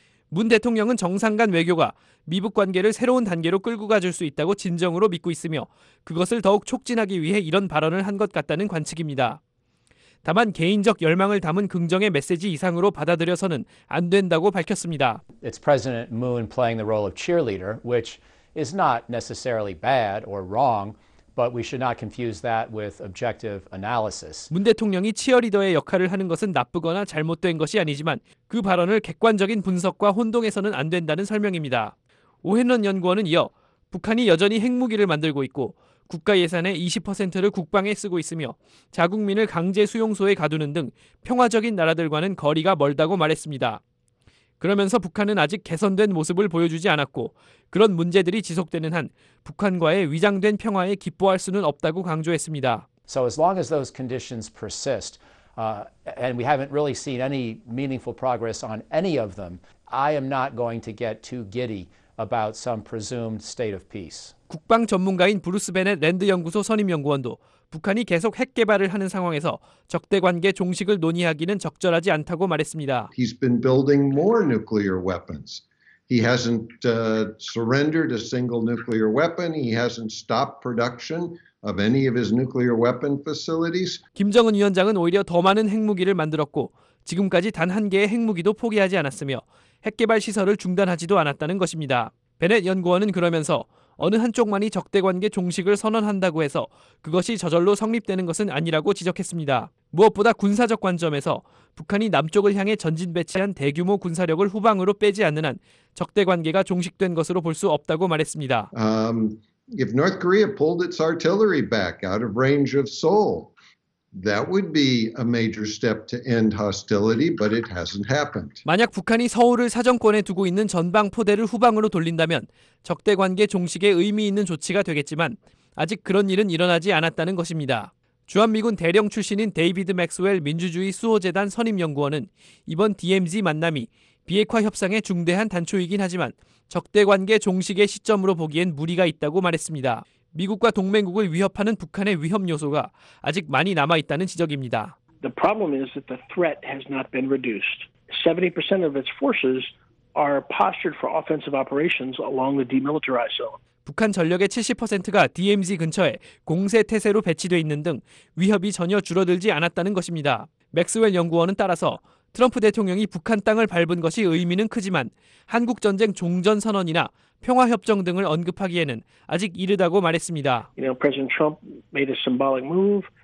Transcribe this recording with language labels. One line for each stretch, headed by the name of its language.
Korean: 문 대통령은 정상 간 외교가 미북 관계를 새로운 단계로 끌고 가줄 수 있다고 진정으로 믿고 있으며 그것을 더욱 촉진하기 위해 이런 발언을 한 것 같다는 관측입니다. 다만 개인적 열망을 담은 긍정의 메시지 이상으로 받아들여서는 안 된다고 밝혔습니다.
English: It's President Moon playing the role of cheerleader, which is not necessarily bad or wrong, but we should not confuse that with objective analysis.
Korean: 문 대통령이 치어리더의 역할을 하는 것은 나쁘거나 잘못된 것이 아니지만 그 발언을 객관적인 분석과 혼동해서는 안 된다는 설명입니다. 오헨런 연구원은 이어 북한이 여전히 핵무기를 만들고 있고 국가 예산의 20%를 국방에 쓰고 있으며 자국민을 강제 수용소에 가두는 등 평화적인 나라들과는 거리가 멀다고 말했습니다. 그러면서 북한은 아직 개선된 모습을 보여주지 않았고 그런 문제들이 지속되는 한 북한과의 위장된 평화에 기뻐할 수는 없다고 강조했습니다.
English: So as long as those conditions persist, and we haven't really seen any meaningful progress on any of them, I am not going to get too giddy about some presumed state of peace.
Korean: 국방 전문가인 브루스 베넷 랜드 연구소 선임 연구원도 북한이 계속 핵 개발을 하는 상황에서 적대 관계 종식을 논의하기는 적절하지 않다고 말했습니다.
English: He's been building more nuclear weapons. He hasn't surrendered a single nuclear weapon. He hasn't stopped production of any of his nuclear weapon facilities.
Korean: 김정은 위원장은 오히려 더 많은 핵무기를 만들었고 지금까지 단 한 개의 핵무기도 포기하지 않았으며 핵 개발 시설을 중단하지도 않았다는 것입니다. 베넷 연구원은 그러면서 어느 한쪽만이 적대관계 종식을 선언한다고 해서 그것이 저절로 성립되는 것은 아니라고 지적했습니다. 무엇보다 군사적 관점에서 북한이 남쪽을 향해 전진 배치한 대규모 군사력을 후방으로 빼지 않는 한 적대관계가 종식된 것으로 볼 수 없다고 말했습니다.
English: If North Korea pulled its artillery back out of range of Seoul, that would be a major step to end hostility, but it hasn't happened.
Korean: 만약 북한이 서울을 사정권에 두고 있는 전방 포대를 후방으로 돌린다면 적대 관계 종식에 의미 있는 조치가 되겠지만 아직 그런 일은 일어나지 않았다는 것입니다. 주한미군 대령 출신인 데이비드 맥스웰 민주주의 수호재단 선임 연구원은 이번 DMZ 만남이 비핵화 협상의 중대한 단초이긴 하지만 적대 관계 종식의 시점으로 보기엔 무리가 있다고 말했습니다. 미국과 동맹국을 위협하는 북한의 위협 요소가 아직 많이 남아 있다는 지적입니다.
English: The problem is that the threat has not been reduced. 70% of its forces are postured for offensive operations along the demilitarized zone.
Korean: 북한 전력의 70%가 DMZ 근처에 공세 태세로 배치돼 있는 등 위협이 전혀 줄어들지 않았다는 것입니다. 맥스웰 연구원은 따라서 트럼프 대통령이 북한 땅을 밟은 것이 의미는 크지만 한국 전쟁 종전 선언이나 평화 협정 등을 언급하기에는 아직 이르다고 말했습니다.
English: You know, President Trump made a symbolic move